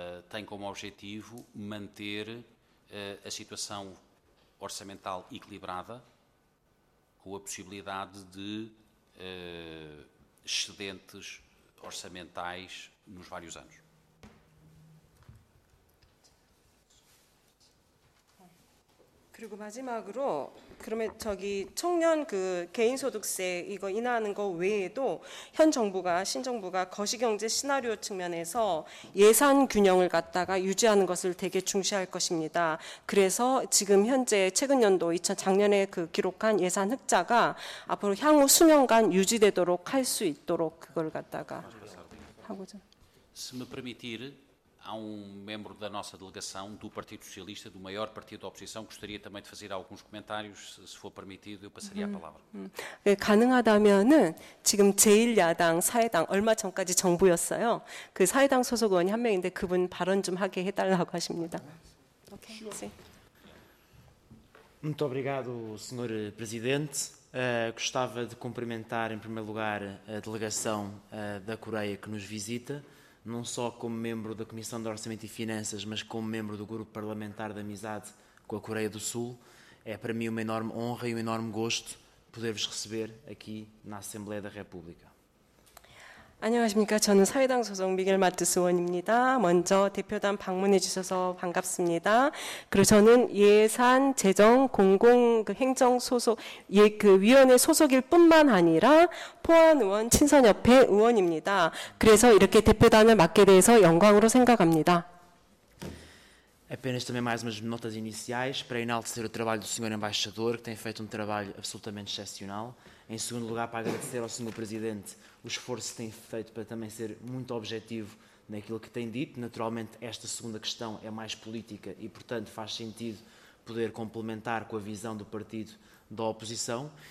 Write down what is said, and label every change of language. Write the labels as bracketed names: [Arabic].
[Portuguese] tem como objetivo manter a situação orçamental equilibrada, com a possibilidade de excedentes orçamentais nos vários anos. [Korean] 그리고 마지막으로 그러면 저기 청년 그 개인소득세 이거 인하하는 거 외에도 현 정부가 신정부가 거시경제 시나리오 측면에서 예산 균형을 갖다가 유지하는 것을 되게 중시할 것입니다. 그래서 지금 현재 최근 연도 작년에 그 기록한 예산 흑자가 앞으로 향후 수년간 유지되도록 할 수 있도록 그걸 갖다가 하고자. [Portuguese] Se me permitir. Há um membro da nossa delegação, do Partido Socialista, do maior partido da oposição, gostaria também de fazer alguns comentários, se for permitido, eu passaria a palavra. [Korean] 네, 가능하다면은 지금 제1야당 사회당 얼마 전까지 정부였어요. 그 사회당 소속 의원이 한 명인데 그분 발언 좀 하게 해달라고 하십니다. [English] Okay. Sure. [Portuguese] Muito obrigado, Senhor Presidente. Gostava de cumprimentar, em primeiro lugar, a delegação da Coreia que nos visita. Não só como membro da Comissão de Orçamento e Finanças, mas como membro do Grupo Parlamentar de Amizade com a Coreia do Sul, é para mim uma enorme honra e um enorme gosto poder-vos receber aqui na Assembleia da República. [Korean] 안녕하십니까. 저는 사회당 소속 미겔 마트스 의원입니다. 먼저 대표단 방문해 주셔서 반갑습니다. 그리고 저는 예산, 재정, 공공, 그 행정 소속, 예, 그 위원회 소속일 뿐만 아니라 포안 의원, 친선협회 의원입니다. 그래서 이렇게 대표단을 맡게 돼서 영광으로 생각합니다. [Portuguese] Apenas também mais umas notas iniciais para enaltecer o trabalho do senhor embaixador, que tem feito trabalho absolutamente excepcional. Em segundo lugar, para agradecer ao senhor presidente o esforço que tem feito para também ser muito objetivo naquilo que tem dito. Naturalmente, esta segunda questão é mais política e, portanto, faz sentido poder complementar com a visão do partido da oposição.